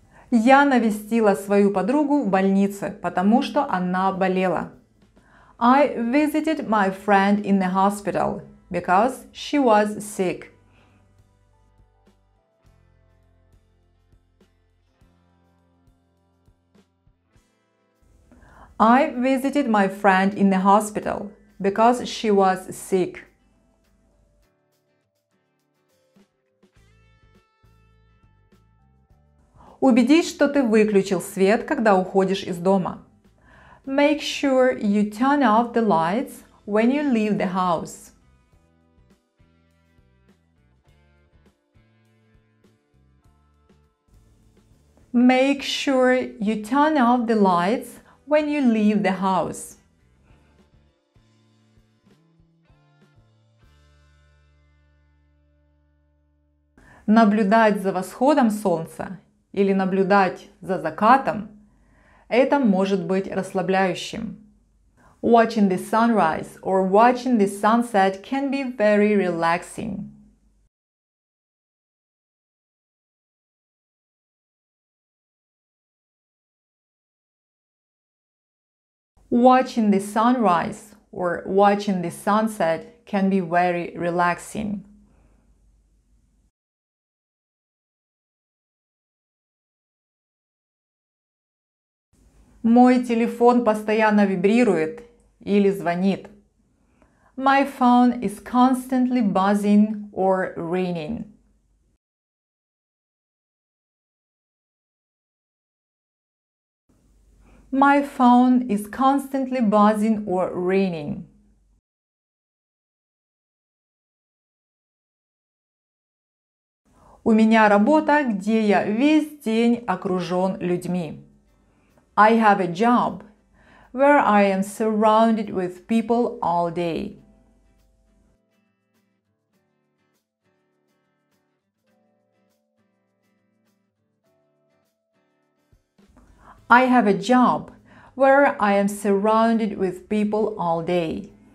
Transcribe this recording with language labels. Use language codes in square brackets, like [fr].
[ru] Я навестила свою подругу в больнице, потому что она болела. [en] I visited my friend in the hospital because she was sick. I visited my friend in the hospital because she was sick. [ru] Убедись, что ты выключил свет, когда уходишь из дома. [en] Make sure you turn off the lights when you leave the house. Make sure you turn off the lights when you leave the house. [ru] Наблюдать за восходом солнца или наблюдать за закатом, это может быть расслабляющим. [en] Watching the sunrise or watching the sunset can be very relaxing. Watching the sunrise or watching the sunset can be very relaxing. [ru] Мой телефон постоянно вибрирует или звонит. [en] My phone is constantly buzzing or ringing. My phone is constantly buzzing or ringing. [ru] У меня работа, где я весь день окружен людьми. [en] I have a job where I am surrounded with people all day. I have a job where I am surrounded with people all day.